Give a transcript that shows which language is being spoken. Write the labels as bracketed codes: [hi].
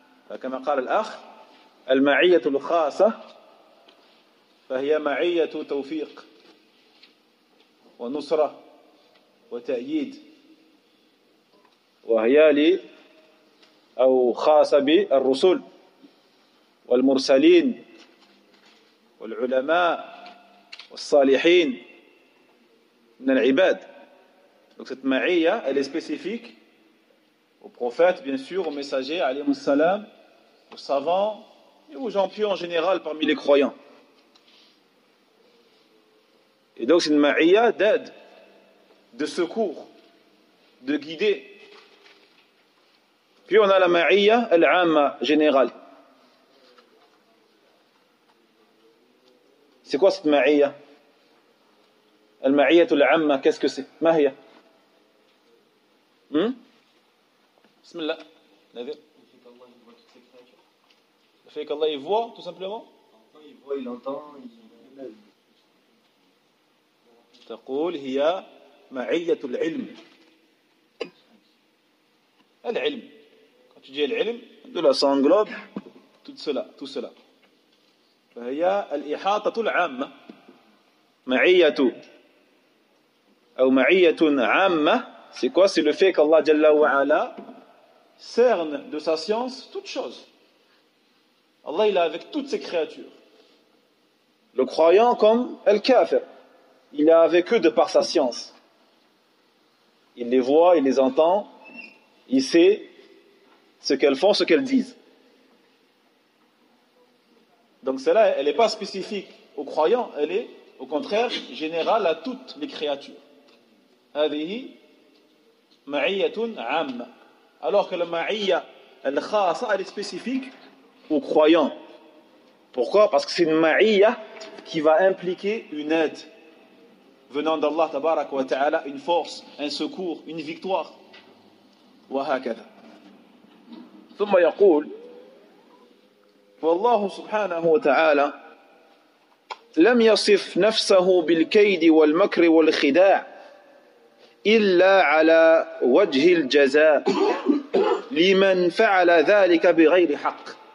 [ar] فكما قال الأخ، المعية الخاصة فهي معية توفيق ونصرة وتأييد، وهي لي أو خاصة بالرسل والمرسلين والعلماء والصالحين من العباد. [fr] Donc cette ma'iyya, elle est spécifique aux prophètes, bien sûr, aux messagers, alayhi salam, aux savants et aux gens pieux en général parmi les croyants. Et donc c'est une ma'iyya d'aide, de secours, de guider. Puis on a la ma'iyya al-amma, générale. C'est quoi cette ma'iyya? Al-ma'iyya al-amma, qu'est-ce que c'est? Mahiya? Bismillah. Nadir. Le fait qu'Allah y voit, tout simplement? Il voit, il entend, [ar] il taqoul hiya ma'iyya al-ilm. Al-ilm. [fr] Tu dis l'ilm, de la sanglobe, tout cela, tout cela. [ar] فهي الإحاطة العامة، معية أو معية عامة. [fr] C'est quoi? C'est le fait qu'Allah Jalla wa Ala cerne de sa science toute chose. Allah il est avec toutes ses créatures. Le croyant comme el kafir, il est avec eux de par sa science. Il les voit, il les entend, il sait ce qu'elles font, ce qu'elles disent. Donc cela, elle n'est pas spécifique aux croyants, elle est au contraire générale à toutes les créatures. [ar] هذه معية عامة. [fr] Alors que la [ar] معية الخاصة, [fr] elle est spécifique aux croyants. Pourquoi? Parce que c'est une معية qui va impliquer une aide venant d'Allah tabarak wa ta'ala, une force, un secours, une victoire. [ar] وهكذا. ثم يقول والله سبحانه وتعالى لم يصف نفسه بالكيد والمكر والخداع إلا على وجه الجزاء لمن فعل ذلك بغير حق.